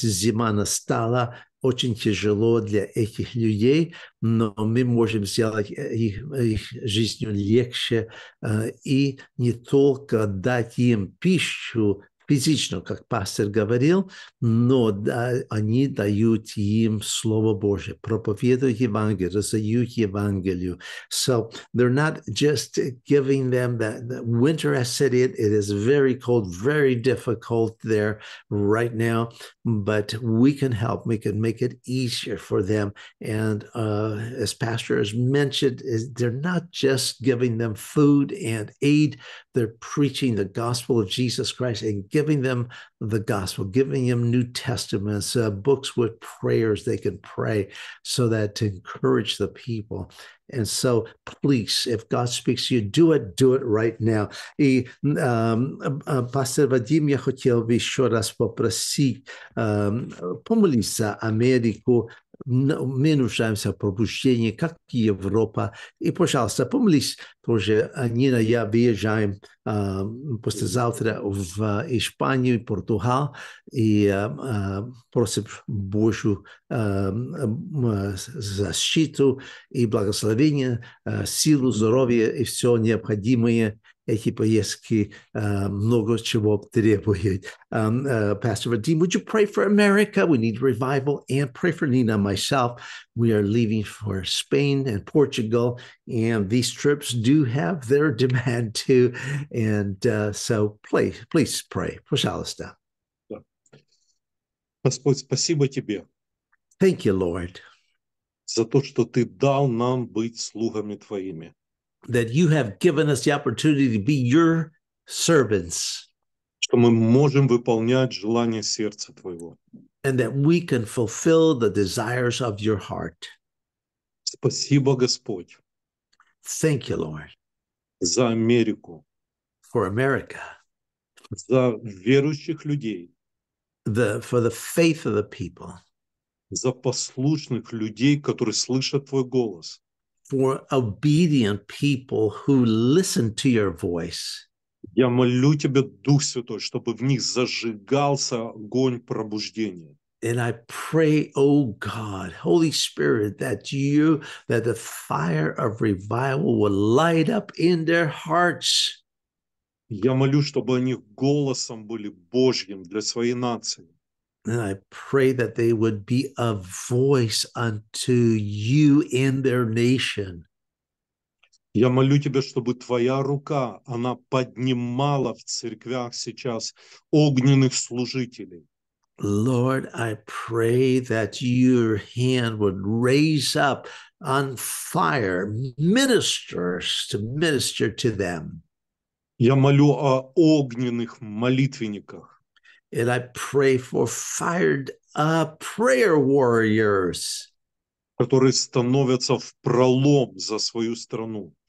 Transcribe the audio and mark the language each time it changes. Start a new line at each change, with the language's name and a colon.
Russian: Зима настала, очень тяжело для этих людей, но мы можем сделать их жизнью легче и не только дать им пищу физично, как пастор говорил, но да, они дают им Слово Божие, проповедуют Евангелие, раздают Евангелие.
English: So they're not just giving them that winter has set in. It is very cold, very difficult there right now, but we can help. We can make it easier for them. And as pastor has mentioned, they're not just giving them food and aid. They're preaching the gospel of Jesus Christ and giving them the gospel, giving them New Testaments, books with prayers they can pray so that to encourage the people. And so, please, if God speaks to you, do it right now.
Russian: И пастор Вадим, я хотел бы еще раз попросить помолиться Америку. Мы нуждаемся в пробуждении, как и Европа. И, пожалуйста, помолись тоже. Нина, я выезжаем послезавтра в Испанию и Португал. И просим Божью защиту и благословение, силу, здоровье и все необходимое. Эти поездки много чего требуют.
English: Pastor Vadim, would you pray for America? We need revival. And pray for Nina and myself. We are leaving for Spain and Portugal. And these trips do have their demand too. And so please pray.
Russian: Пожалуйста. Господь, спасибо тебе.
English: Thank you, Lord.
Russian: За то, что ты дал нам быть слугами твоими.
English: That you have given us the opportunity to be your servants.
Russian: Что мы можем выполнять желания сердца твоего.
English: And that we can fulfill the desires of your heart.
Russian: Спасибо, Господь.
English: Thank you, Lord.
Russian: За Америку.
English: For America.
Russian: За верующих людей.
English: For the faith of the people.
Russian: За послушных людей, которые слышат твой голос.
English: For obedient people who listen to your voice.
Russian: Я молю тебя, Дух Святой, чтобы в них зажигался огонь пробуждения.
English: And I pray, oh God, Holy Spirit, that you, that the fire of revival will light up in their hearts.
Russian: Я молю, чтобы они голосом были Божьим для своей нации.
English: And I pray that they would be a voice unto you in their nation.
Russian: Я молю тебя, чтобы твоя рука, она поднимала в церквях сейчас огненных служителей.
English: Lord, I pray that your hand would raise up on fire ministers to minister to them.
Russian: Я молю о огненных молитвенниках.
English: And I pray for fired prayer warriors,
Russian: которые становятся в пролом за свою страну.